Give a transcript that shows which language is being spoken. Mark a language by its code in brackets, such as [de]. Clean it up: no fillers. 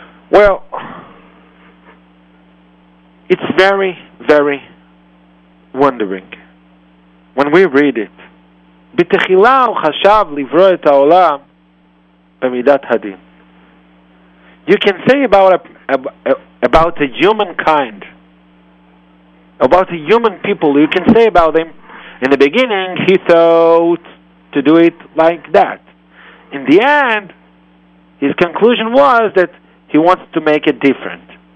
[en] Well, it's very, very wondering when we read it. [he] בתחילה הוא חשב לברוא את העולם במידת הדין. [en] You can say about a humankind, about the human people, you can say about them, in the beginning he thought to do it like that. In the end, his conclusion was that he wants to make it different.